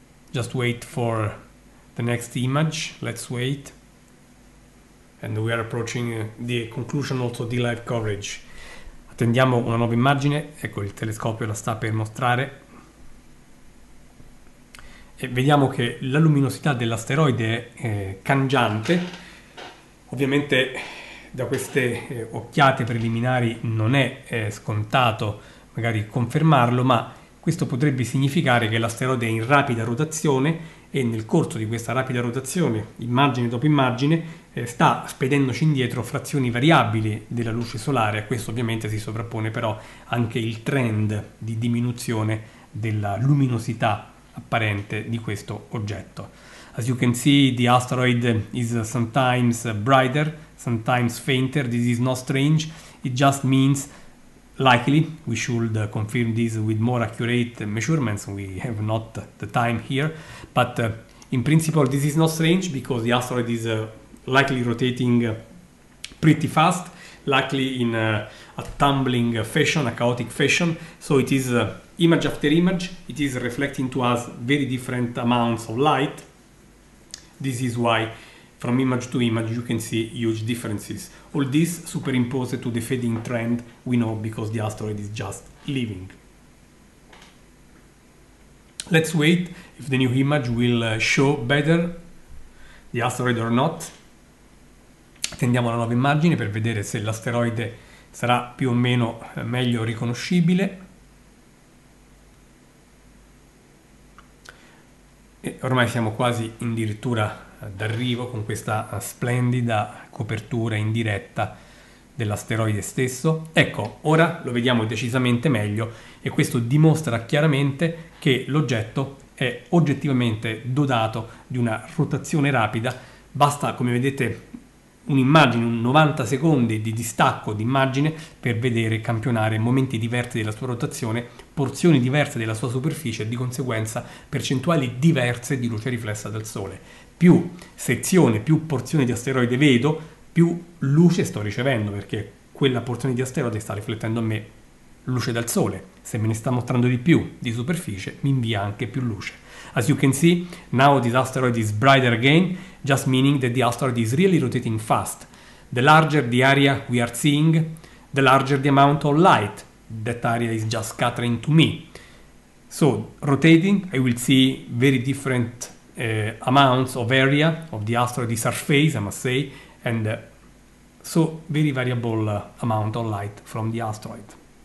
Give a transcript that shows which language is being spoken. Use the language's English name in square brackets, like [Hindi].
[English] I just wait for the next image. Let's wait, and we are approaching the conclusion also of the live coverage. [Italian] Attendiamo una nuova immagine. Ecco, il telescopio la sta per mostrare e vediamo che la luminosità dell'asteroide è cangiante. Ovviamente da queste occhiate preliminari non è scontato magari confermarlo, ma questo potrebbe significare che l'asteroide è in rapida rotazione e nel corso di questa rapida rotazione, immagine dopo immagine, sta spedendoci indietro frazioni variabili della luce solare. A questo ovviamente si sovrappone però anche il trend di diminuzione della luminosità apparente di questo oggetto. [English] As you can see, the asteroid is sometimes brighter, sometimes fainter. This is not strange, it just means likely we should confirm this with more accurate measurements. We have not the time here, but in principle this is not strange because the asteroid is likely rotating pretty fast, likely in a tumbling fashion, a chaotic fashion. So it is image after image, it is reflecting to us very different amounts of light. This is why from image to image you can see huge differences. All this superimposed to the fading trend we know because the asteroid is just leaving. Let's wait if the new image will show better the asteroid or not. [Italian] Attendiamo la nuova immagine per vedere se l'asteroide sarà più o meno meglio riconoscibile. Ormai siamo quasi in dirittura d'arrivo con questa splendida copertura in diretta dell'asteroide stesso. Ecco, ora lo vediamo decisamente meglio e questo dimostra chiaramente che l'oggetto è oggettivamente dotato di una rotazione rapida. Basta, come vedete, un'immagine, un 90 secondi di distacco d'immagine per vedere campionare momenti diversi della sua rotazione, porzioni diverse della sua superficie e di conseguenza percentuali diverse di luce riflessa dal Sole. Più sezione, più porzione di asteroide vedo, più luce sto ricevendo, perché quella porzione di asteroide sta riflettendo a me luce dal Sole. Se me ne sta mostrando di più di superficie, mi invia anche più luce. [English] As you can see, now this asteroid is brighter again, just meaning that the asteroid is really rotating fast. The larger the area we are seeing, the larger the amount of light that area is just scattering to me. So, rotating, I will see very different amounts of area of the asteroid surface, I must say, and so very variable amount of light from the asteroid.